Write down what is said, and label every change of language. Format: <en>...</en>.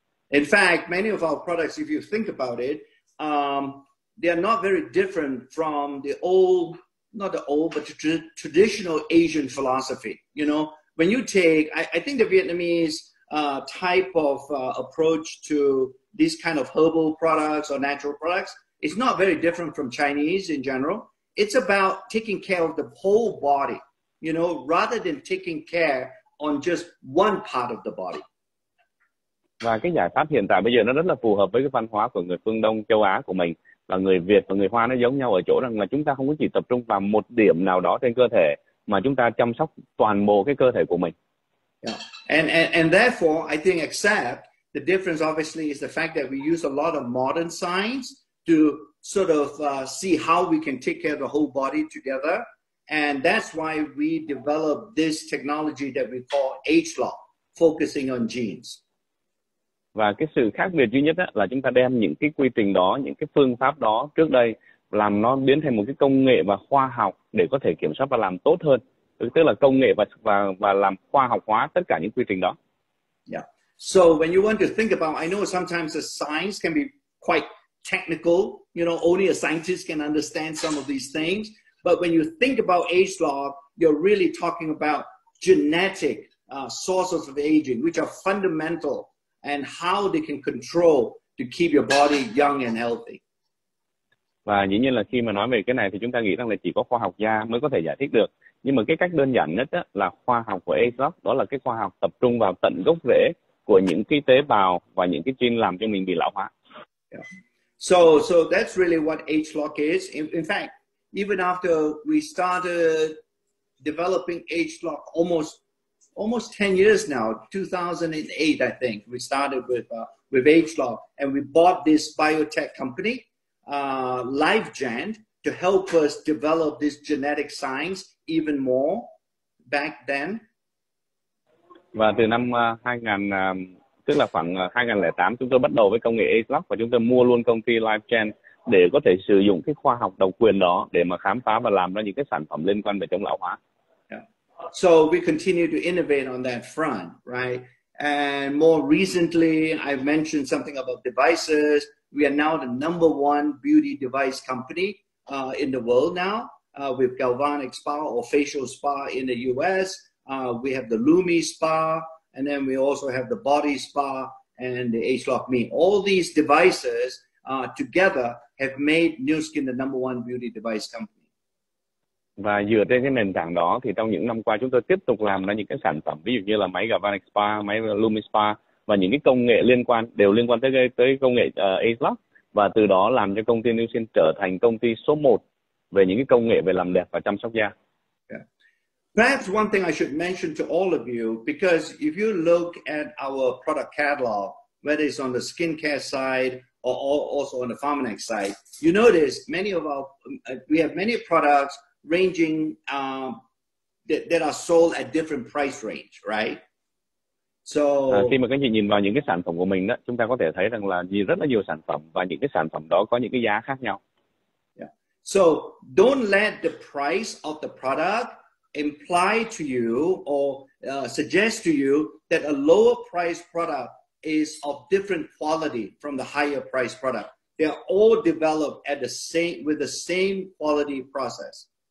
<en>In fact, many of our products, if you think about it, they are not very different from the old, not the old, but the traditional Asian philosophy. You know, when you take, I think the Vietnamese type of approach to these kind of herbal products or natural products, it's not very different from Chinese in general. It's about taking care of the whole body, you know, rather than taking care on just one part of the body.</en> <vi>Và cái giải pháp hiện tại bây giờ nó rất là phù hợp với cái văn hóa của người phương Đông châu Á của mình. Và người Việt và người Hoa nó giống nhau ở chỗ rằng là chúng ta không có chỉ tập trung vào một điểm nào đó trên cơ thể mà chúng ta chăm sóc toàn bộ cái cơ thể của mình. Yeah.</vi> <en>And therefore, I think except the difference obviously is the fact that we use a lot of modern science to sort of see how we can take care of the whole body together. And that's why we developed this technology that we call H-Lock, focusing on genes.</en> <vi>Và cái sự khác biệt duy nhất á, là chúng ta đem những cái quy trình đó, những cái phương pháp đó trước đây làm nó biến thành một cái công nghệ và khoa học để có thể kiểm soát và làm tốt hơn. Tức là công nghệ và làm khoa học hóa tất cả những quy trình đó. Yeah.</vi> <en>So when you want to think about, I know sometimes the science can be quite technical, you know, only a scientist can understand some of these things. But when you think about age law, you're really talking about genetic sources of aging, which are fundamental and how they can control to keep your body young and healthy.</en> <vi>Và dĩ nhiên là khi mà nói về cái này thì chúng ta nghĩ rằng là chỉ có khoa học da mới có thể giải thích được. Nhưng mà cái cách đơn giản nhất á, là khoa học của ASOC, đó là cái khoa học tập trung vào tận gốc rễ của những cái tế bào và những cái gene làm cho mình bị lão hóa.</vi> <en>Yeah. So that's really what H-Lock is. In fact, even after we started developing H-Lock almost 10 years now, 2008, I think, we started with H-Lock, and we bought this biotech company, LiveGen, to help us develop this genetic science even more back then.</en> <vi>Và từ năm 2000, tức là khoảng 2008, chúng tôi bắt đầu với công nghệ H-Lock và chúng tôi mua luôn công ty LiveGen để có thể sử dụng cái khoa học độc quyền đó để mà khám phá và làm ra những cái sản phẩm liên quan về chống lão hóa.</vi> <en>So we continue to innovate on that front, right? And more recently, I've mentioned something about devices. We are now the number one beauty device company in the world now. With Galvanic Spa or Facial Spa in the US. We have the Lumi Spa, and then we also have the Body Spa and the AgeLock Me. All these devices together have made Nu Skin the number one beauty device company.</en> <vi>Và dựa trên cái nền tảng đó thì trong những năm qua chúng tôi tiếp tục làm ra những cái sản phẩm, ví dụ như là máy Galvanic Spa, máy Lumi Spa và những cái công nghệ liên quan, đều liên quan tới công nghệ AgeLock, và từ đó làm cho công ty Nu Skin trở thành công ty số 1 về những cái công nghệ về làm đẹp và chăm sóc da.</vi> <en>Perhaps one thing I should mention to all of you, because if you look at our product catalog, whether it's on the skincare side or also on the Pharmanex side, you notice many of our we have many products ranging that are sold at different price range, right?</en> <vi>So khi mà các anh chị nhìn vào những cái sản phẩm của mình đó, chúng ta có thể thấy rằng là nhìn rất là nhiều sản phẩm và những cái sản phẩm đó có những cái giá khác nhau. Yeah.</vi> <en>So don't let the price of the product imply to you or suggest to you that a lower price product is of different quality from the higher price product. They are all developed at the same with the same quality process.</en>